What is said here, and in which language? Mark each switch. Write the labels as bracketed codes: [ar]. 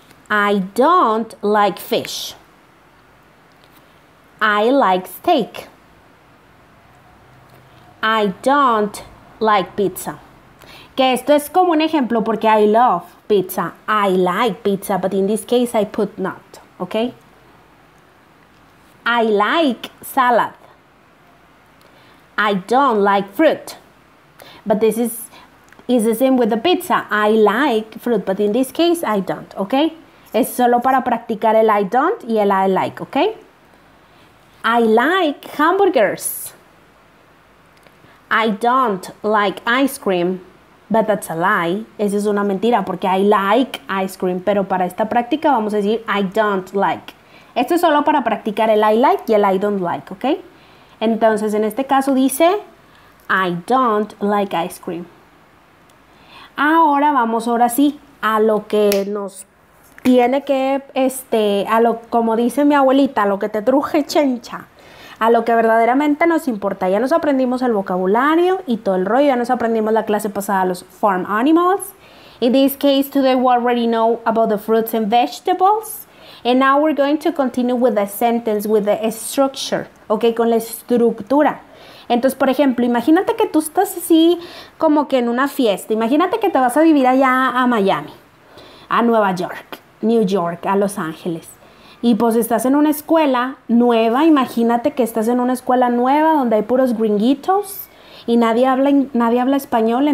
[en] I don't like fish. I like steak. I don't like pizza. [es] Que esto es como un ejemplo porque [en] I love pizza. I like pizza, but in this case I put not, okay? I like salad. I don't like fruit. But this is the same with the pizza. I like fruit, but in this case I don't, okay? [es] Es solo para practicar el I don't y el I like, ¿ok? [en] I like hamburgers. I don't like ice cream, but that's a lie. [es] Esa es una mentira porque [en] I like ice cream, [es] pero para esta práctica vamos a decir I don't like. Esto es solo para practicar el I like y el I don't like, ¿ok? Entonces, en este caso dice I don't like ice cream. Ahora vamos ahora sí a lo que nos tiene que, a lo, como dice mi abuelita, a lo que te truje chencha, a lo que verdaderamente nos importa. Ya nos aprendimos el vocabulario y todo el rollo, ya nos aprendimos la clase pasada, los farm animals. [en] In this case, today we already know about the fruits and vegetables. And now we're going to continue with the sentence, with the structure, ok, [es] con la estructura. Entonces, por ejemplo, imagínate que tú estás así como que en una fiesta. Imagínate que te vas a vivir allá a Miami, a Nueva York, New York, a Los Ángeles. Y pues estás en una escuela nueva. Imagínate que estás en una escuela nueva donde hay puros gringuitos y nadie habla español.